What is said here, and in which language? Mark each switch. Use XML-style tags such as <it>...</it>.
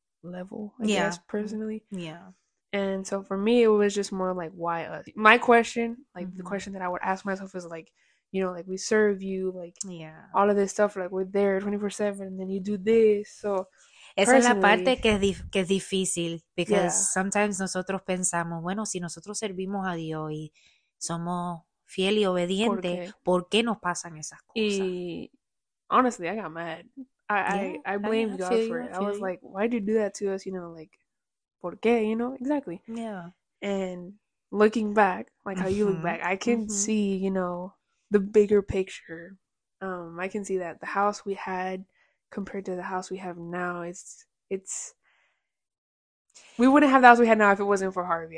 <en>level, I guess, personally. Yeah. And so for me, it was just more like, why us? My question, like, mm-hmm. the question that I would ask myself is like, you know, like, we serve you, like, yeah. all of this stuff, like, we're there 24/7, and then you do this, so...</en> <es>Esa es la parte que es difícil,</es> <en>because yeah. sometimes</en> <es>nosotros pensamos, bueno, si nosotros servimos a Dios y somos fiel y obediente, ¿por qué nos pasan esas cosas?</es> <en>Y, honestly, I got mad. I blamed God for it. I was like, why did you do that to us, you know, like,</en> <es>¿por qué,</es> <en>you know? Exactly. Yeah. And looking back, like how you look back, I can see, you know, the bigger picture. I can see that the house we had compared to the house we have now, it's we wouldn't have the house we had now if it wasn't for Harvey.</en>